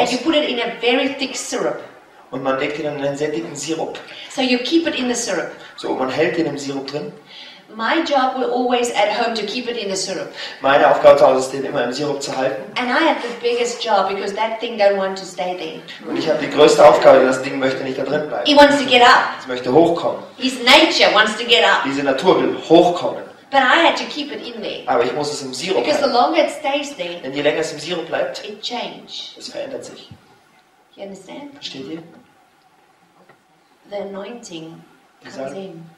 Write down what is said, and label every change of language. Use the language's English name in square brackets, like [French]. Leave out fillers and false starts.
[English] And you put it in a very thick syrup. [German] Und man legt ihn in einen sättigen Sirup. [English] So you keep it in the syrup. [German] So man hält ihn im Sirup drin. [English] My job will always at home to keep it in the syrup. [German] Meine Aufgabe zu Hause ist, den immer im Sirup zu halten. [English] And I have the biggest job because that thing don't want to stay there. [German] Und ich habe die größte Aufgabe, denn das Ding möchte nicht da drin bleiben. [English] It wants to get up. [German] Es möchte hochkommen. [English] His nature wants to get up. [German] Diese Natur will hochkommen. [English] But I had to keep it in there. [German] Aber ich muss es im Sirup [English] because [German] halten. [English] The longer it stays there, [German] denn je länger es im Sirup bleibt, [English] it change. [German] Es verändert sich. [English] You understand? [German] Versteht ihr? [English] The anointing comes in.